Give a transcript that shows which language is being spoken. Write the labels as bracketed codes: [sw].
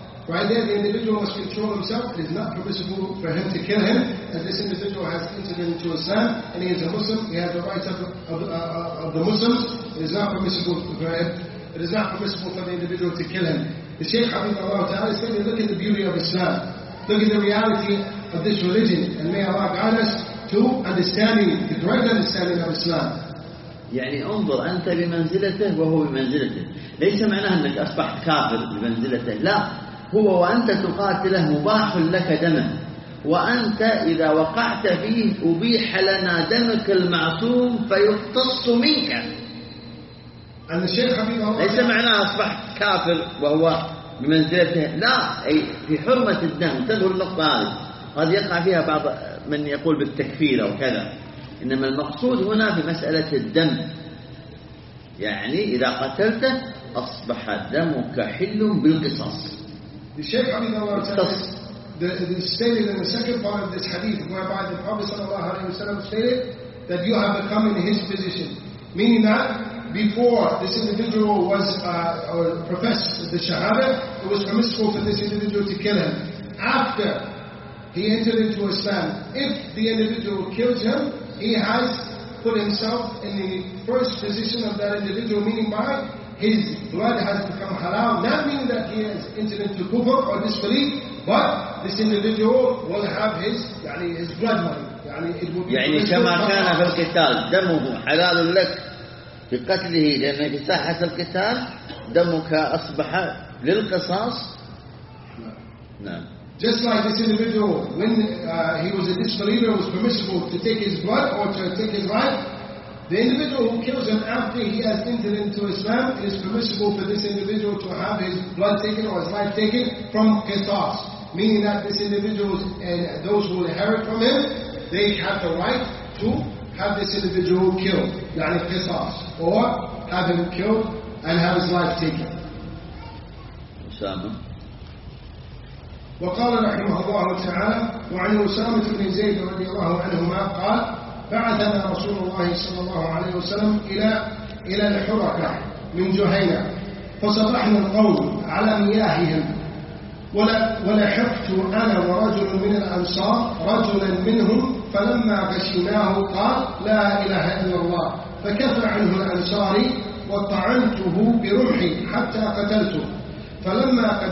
[en] Right there, the individual must control himself. It is not permissible for him to kill him, as this individual has entered into Islam and he is a Muslim. He has the rights of the Muslims. It is not permissible for the individual to kill him. The Shaykh Habib Allah Ta'ala said, look at the beauty of Islam. Look at the reality of this religion. And may Allah guide us to understanding, the correct understanding of Islam. [ar] يعني انظر أنت بمنزلته وهو بمنزلته. ليس معناه أنك أصبحت كافر بمنزلته. لا. هو وأنت تقاتله مباح لك دمه وأنت إذا وقعت فيه أبيح لنا دمك المعصوم فيقتص منك. أن الشيخ حبيبه الله ليس معناه أصبحت كافر وهو بمنزلته، لا، أي في حرمة الدم. تذكر النقطة هذه قد يقع فيها بعض من يقول بالتكفير أو كذا، إنما المقصود هنا في مسألة الدم، يعني إذا قتلته أصبح دمك حل بالقصاص. [en] الشيخ حبيبه الله the stated in the second part of this hadith whereby the Prophet sallallahu alaihi wasallam stated that you have become in his position, meaning that before this individual was or professed the shahada, it was permissible for this individual to kill him. After he entered into Islam, if the individual kills him, he has put himself in the first position of that individual, meaning by his blood has become halal, not meaning that he has entered into kufr or disbelief, but this individual will have his, يعني his blood money. يعني it will be. [ar] يعني كما كان في القتال دمه حلال لك في قتله، لأن في ساحة القتال دمك أصبح للقصاص. نعم. [en] Just like this individual, when he was a disbeliever, it was permissible to take his blood or to take his life. The individual who kills him after he has entered into Islam, it is permissible for this individual to have his blood taken or his life taken from qisas, meaning that this individual and those who inherit from him, they have the right to have this individual killed, yani qisas, or have him killed and have his life taken. Usama. [ar] وقال رحمه الله تعالى وعن أسامة بن زيد رضي الله عنهما قال بعثنا رسول الله صلى الله عليه وسلم إلى الحركة من جهينة فصبحنا القوم على مياههم ولحقت أنا ورجل من الأنصار رجلا منهم فلما غشيناه قال لا إله إلا الله فكف عنه الأنصاري وطعنته برمحي حتى قتلته فلما